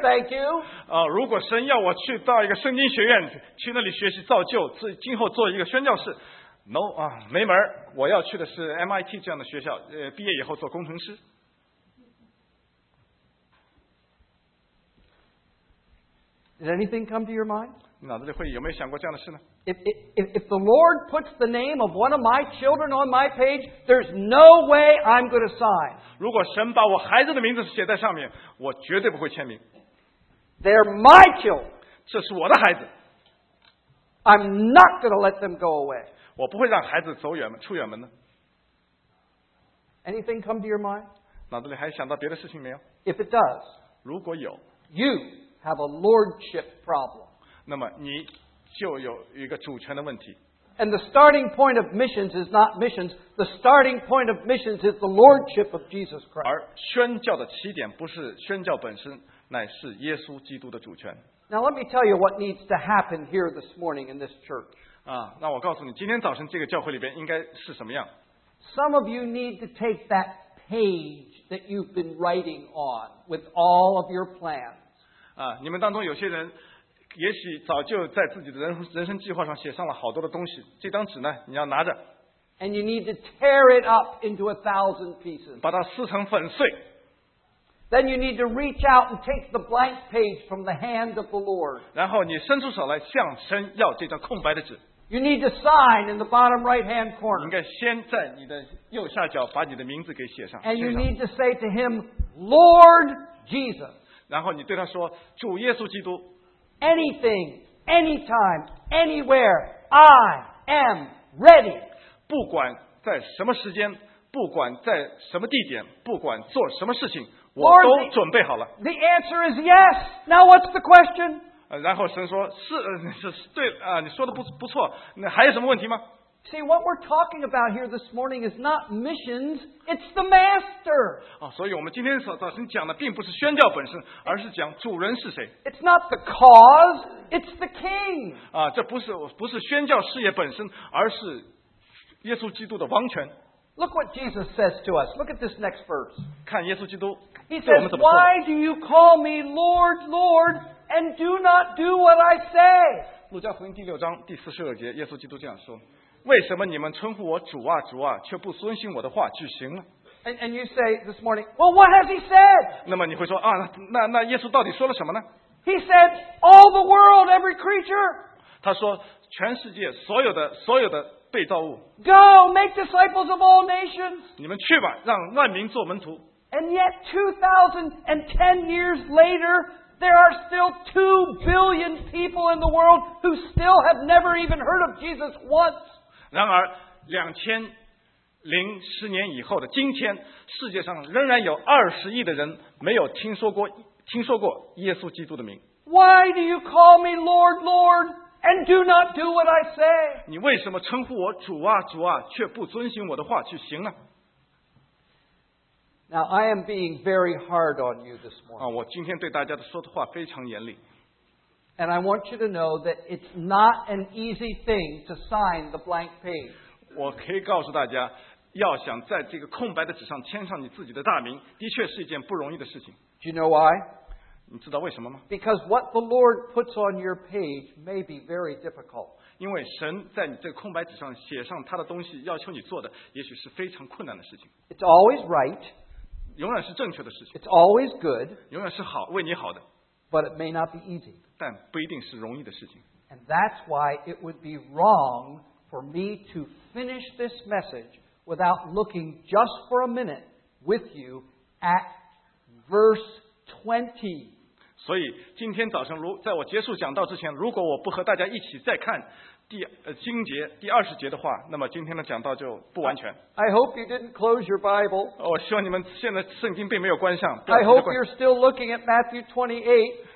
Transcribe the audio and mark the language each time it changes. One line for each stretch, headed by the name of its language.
English: Thank you.
Chinese: 如果神要我去到一个圣经学院去那里学习造就，今后做一个宣教士。 No 啊，没门儿！我要去的是 MIT 这样的学校，毕业以后做工程师。
English: Did anything come to your mind?
Chinese: 脑子里会有没有想过这样的事呢
English: ？If the Lord puts the name of one of my children on my page, there's no way I'm going to sign.
Chinese: 如果神把我孩子的名字写在上面，我绝对不会签名。
English: They're my children.
Chinese: 这是我的孩子。
English: I'm not going to let them go away.
Chinese: 我不会让孩子走远门出远门的。
English: Anything come to your mind?
Chinese: 脑子里还想到别的事情没有？
English: If it does,
Chinese: 如果有，
English: you have a lordship problem.
Chinese: 那么你就有一个主权的问题。
English: And the starting point of missions is not missions. The starting point of missions is the lordship of Jesus Christ.
Chinese: 而宣教的起点不是宣教本身，乃是耶稣基督的主权。
English: Now let me tell you what needs to happen here this morning in this church.
Chinese: 啊，那我告诉你，今天早晨这个教会里边应该是什么样。
English: Some of you need to take that page that you've been writing on with all of your plans.
Chinese: 啊，你们当中有些人。也许早就在自己的 人生计划上写上了好多的东西，这张纸呢，你要拿着。
English: And you need to tear it up into a thousand pieces.
Chinese: 把它撕成粉碎。
English: Then you need to reach out and take the blank page from the hand of the Lord.
Chinese: 然后你伸出手来向神要这张空白的纸。
English: You need to sign in the bottom right-hand corner.
Chinese: 你应该先在你的右下角把你的名字给写上。
English: And you need to say to him, Lord Jesus.
Chinese: 然后你对他说，主耶稣基督。
English: Anything, anytime, anywhere, I am ready.
Chinese: 不管在什么时间，不管在什么地点，不管做什么事情，我都准备好了。
English: The answer is yes. Now what's the question?
Chinese: 然后神说，是，是，对，啊，你说的不错，那还有什么问题吗？
English: See, what we're talking about here this morning is not missions, it's the master.
Chinese: 哦，所以我们今天早晨讲的并不是宣教本身，而是讲主人是谁。
English: It's not the cause, it's the king.
Chinese: 啊，这不是宣教事业本身，而是耶稣基督的王权。
English: Look what Jesus says to us. Look at this next verse.
Chinese: 看耶稣基督。
English: He says, Why do you call me Lord, Lord, and do not do what I say?
Chinese: 路加福音第六章第四十二节，耶稣基督这样说。为什么你们称呼我主啊主啊，却不遵循我的话去行呢？
English: And you say this morning, well, what has he said?
Chinese: 那么你会说啊，那耶稣到底说了什么呢？
English: He said, all the world, every creature.
Chinese: 他说全世界所有的被造物。
English: Go, make disciples of all nations.
Chinese: 你们去吧，让万民做门徒。
English: And yet 2010 years later,There are still 2 billion people in the world who still have never even heard of Jesus once.
Chinese: 然而2010年以后的今天，世界上仍然有20亿的人没有听说过耶稣基督的名。
English: Why do you call me Lord, Lord, and do not do what I say?
Chinese: 你为什么称呼我主啊主啊，却不遵循我的话去行呢？
English: Now I am being very hard on you this morning.
Chinese: 啊，我今天对大家的说的话非常严厉。
English: And I want you to know that it's not an easy thing to sign the blank page.
Chinese: 我可以告诉大家，要想在这个空白的纸上签上你自己的大名，的确是一件不容易的事情。
English: Do you know why?
Chinese: 你知道为什么吗？
English: Because what the Lord puts on your page may be very difficult.
Chinese: 因为神在你这个空白纸上写上他的东西，要求你做的，也许是非常困难的事情。
English: It's always right.
Chinese: 永远是正确的事情。
English: It's always good.
Chinese: 永远是好，为你好的。
English: But it may not be easy.
Chinese: 但不一定是容易的事情。
English: And that's why it would be wrong for me to finish this message without looking just for a minute with you at verse 20.
Chinese: 所以今天早晨，在我结束讲道之前，如果我不和大家一起再看经节第二十节的话，那么今天的讲道就不完全。
English: I hope you didn't close your Bible.
Chinese: 我希望你们现在圣经并没有关上。
English: I hope you're still looking at Matthew 28.